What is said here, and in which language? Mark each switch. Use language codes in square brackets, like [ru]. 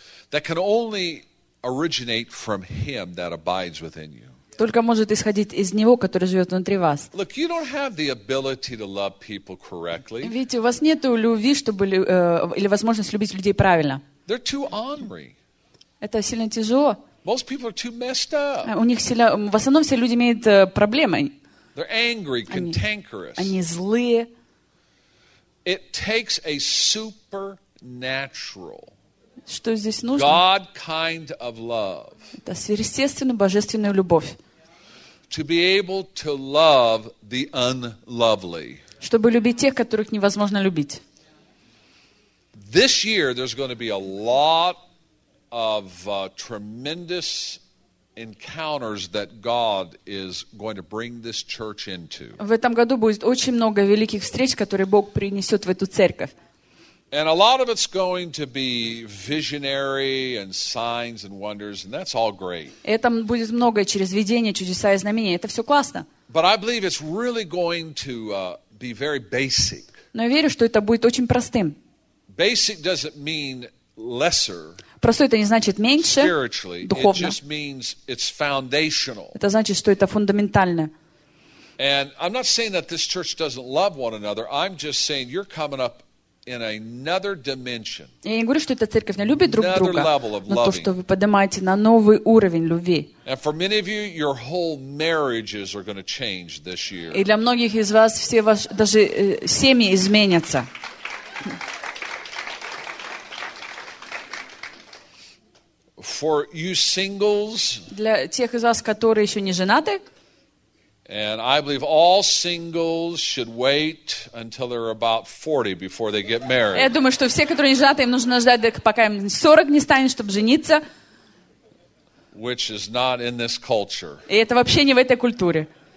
[en] That can only originate from Him that abides within you. [ru] Только может исходить из Него, который живет внутри вас. [en] Look, you don't have the ability to love people correctly. [ru] Видите, у вас нет любви, чтобы или возможность любить людей правильно. [en] They're too ornery. [ru] Это сильно тяжело. [en] Most people are too messed up. [ru] У них сильно, в основном все люди имеют проблемы. [en] They're angry, cantankerous. [ru] Они злые. [en] It takes a supernatural. [ru] Что здесь нужно? [en] God kind of love. [ru] Это сверхъестественная божественная любовь. [en] To be able to love the unlovely. [ru] Чтобы любить тех, которых невозможно любить. [en] This year there's going to be a lot of tremendous encounters that God is going to bring this church into. [ru] В этом году будет очень много великих встреч, которые Бог принесет в эту церковь. [en] And a lot of it's going to be visionary and signs and wonders, and that's all great. [ru] Это будет многое через видения, чудеса и знамения. Это все классно. [en] But I believe it's really going to be very basic. [ru] Но я верю, что это будет очень простым. [en] Basic doesn't mean lesser. [ru] Простой это не значит меньше. [en] Spiritually, [ru] духовно. [en] It just means it's foundational. [ru] Это значит, что это фундаментально. [en] And I'm not saying that this church doesn't love one another. I'm just saying you're coming up. In another dimension. [ru] Я не говорю, что эта церковь не любит друг друга, но то, что вы поднимаете на новый уровень любви. [en] And for many of you, your whole marriages are going to change this year. [ru] И для многих из вас все ваши даже семьи изменятся. [en] For you singles. [ru] Для тех из вас, которые еще не женаты. [en] And I believe all singles should wait until they're about 40 before they get married. [ru] Я думаю, что все, которые не женаты, им нужно ждать, пока им 40 не станет, чтобы жениться. [en] Which is not in this culture. [ru] И это вообще не в этой культуре.